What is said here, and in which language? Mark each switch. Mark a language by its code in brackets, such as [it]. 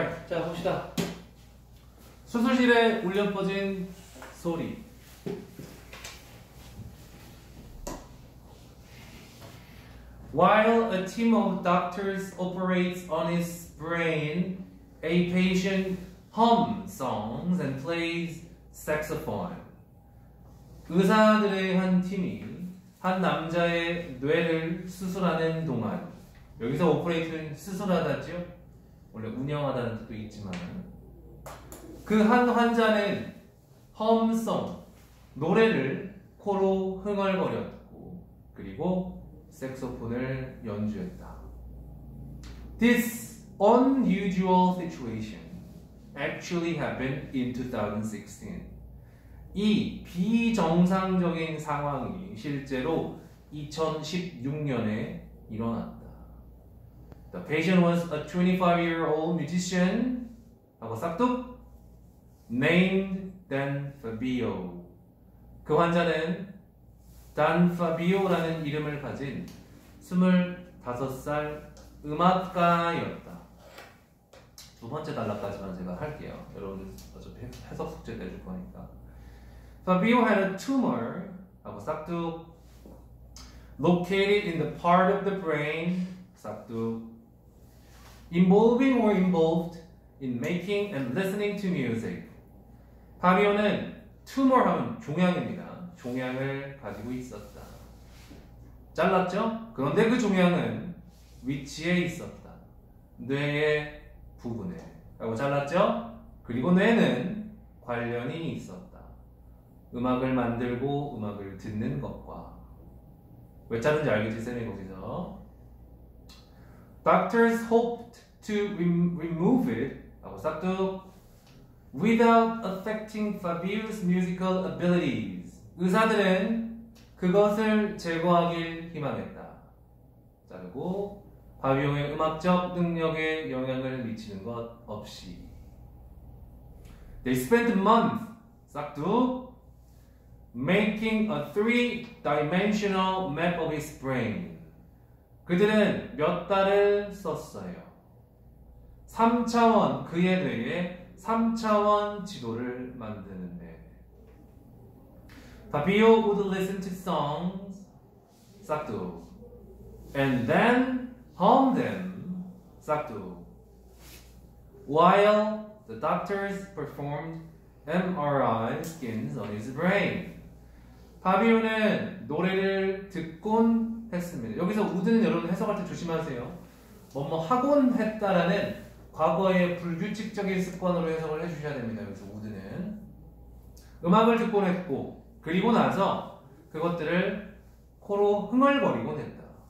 [ko] 자 봅시다. 수술실에 울려 퍼진 소리. [en] While a team of doctors operates on his brain, a patient hums songs and plays saxophone. [ko] 의사들의 한 팀이 한 남자의 뇌를 수술하는 동안, 여기서 operate는 수술하다죠? 원래 운영하다는 뜻도 있지만 그 한 환자는 험성 노래를 코로 흥얼거렸고 그리고 색소폰을 연주했다. [en] This unusual situation actually happened in 2016. [ko] 이 비정상적인 상황이 실제로 2016년에 일어났다. [en] The patient was a 25-year-old musician [ko] 하고 싹둑 [en] named Dan Fabio. [ko] 그 환자는 Dan Fabio라는 이름을 가진 25살 음악가였다. 두 번째 단락까지만 제가 할게요. 여러분들 어차피 해석 숙제 내줄 거니까. [en] Fabio had a tumor [ko] 하고 싹둑 [en] located in the part of the brain [ko] 싹둑 [en] Involving or involved in making and listening to music. [ko] 파비오는 tumor 하면 종양입니다. 종양을 가지고 있었다. 잘랐죠? 그런데 그 종양은 위치에 있었다. 뇌의 부분에. 하고 잘랐죠? 그리고 뇌는 관련이 있었다. 음악을 만들고 음악을 듣는 것과. 왜 자른지 알겠지, 쌤이 거기서. [en] Doctors hoped to remove it [ko] 하고 싹둑 [en] without affecting Fabio's musical abilities. [ko] 의사들은 그것을 제거하길 희망했다. 자르고 바비오의 음악적 능력에 영향을 미치는 것 없이 [en] They spent a month [ko] 싹둑 [en] making a three-dimensional map of his brain. [ko] 그들은 몇 달을 썼어요. 3차원 그에 대해 3차원 지도를 만드는데 [en] Fabio would listen to songs [ko] 싹둑 [en] and then hum them [ko] 싹둑 [en] while the doctors performed MRI scans on his brain. [ko] Fabio는 노래를 듣곤 했습니다. 여기서 would는 여러분 해석할 때 조심하세요. 뭐뭐 하곤 했다라는 과거의 불규칙적인 습관으로 해석을 해주셔야 됩니다. 그래서 우드는 음악을 듣곤 했고 그리고 나서 그것들을 코로 흥얼거리곤 했다.